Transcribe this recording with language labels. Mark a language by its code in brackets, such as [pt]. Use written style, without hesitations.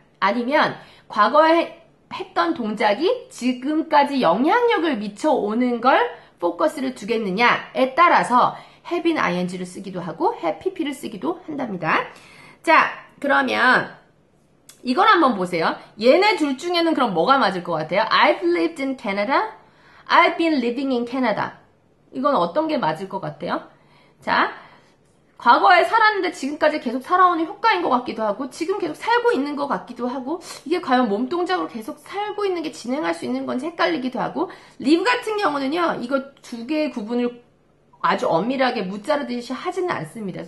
[ko] 아니면, 과거에 했던 동작이 지금까지 영향력을 미쳐오는 걸 포커스를 두겠느냐에 따라서 [en] have been ing [ko] 를 쓰기도 하고 [en] have pp [ko] 를 쓰기도 한답니다. 자, 그러면 이걸 한번 보세요. 얘네 둘 중에는 그럼 뭐가 맞을 것 같아요? [en] I've lived in Canada. I've been living in Canada. [ko] 이건 어떤 게 맞을 것 같아요? 자, 과거에 살았는데 지금까지 계속 살아오는 효과인 것 같기도 하고, 지금 계속 살고 있는 것 같기도 하고, 이게 과연 몸 동작으로 계속 살고 있는 게 진행할 수 있는 건지 헷갈리기도 하고, live 같은 경우는요, 이거 두 개의 구분을 아주 엄밀하게 묻자르듯이 하지는 않습니다.